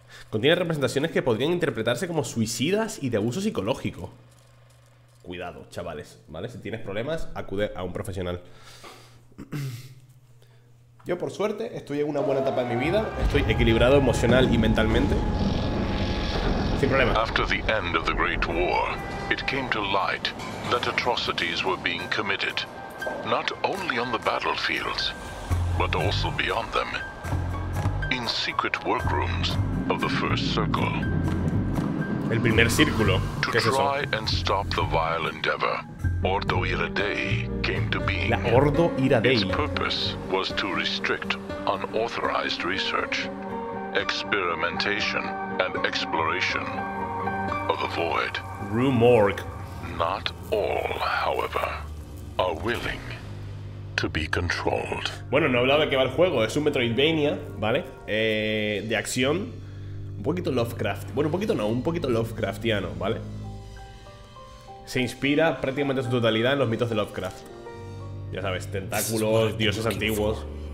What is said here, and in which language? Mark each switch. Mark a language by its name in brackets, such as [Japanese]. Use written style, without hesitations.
[Spanish] Contiene representaciones que podrían interpretarse como suicidas y de abuso psicológico. Cuidado, chavales, ¿vale? Si tienes problemas, acude a un profesional. Yo, por suerte, estoy en una buena etapa de mi vida. Estoy equilibrado emocional y mentalmente. [English] After the end of the Great War, it came to light that atrocities were being committed, not only on the battlefields, but also beyond them, in secret workrooms of the First Circle. [Spanish] El primer círculo. [English] To try and stop the vile endeavor, Ordo Iradei came to being. [Spanish] La Ordo Iradei. [English] Its purpose was to restrict unauthorized research, experimentation, and exploration of the void. Rumorg. Not all, however, are willing to be controlled. [Spanish] Bueno, no he hablado de qué va el juego. Es un Metroidvania, ¿vale? De acción. Un poquito Lovecraft. Bueno, un poquito no, un poquito Lovecraftiano, ¿vale? Se inspira prácticamente en su totalidad en los mitos de Lovecraft. Ya sabes, tentáculos, dioses antiguos.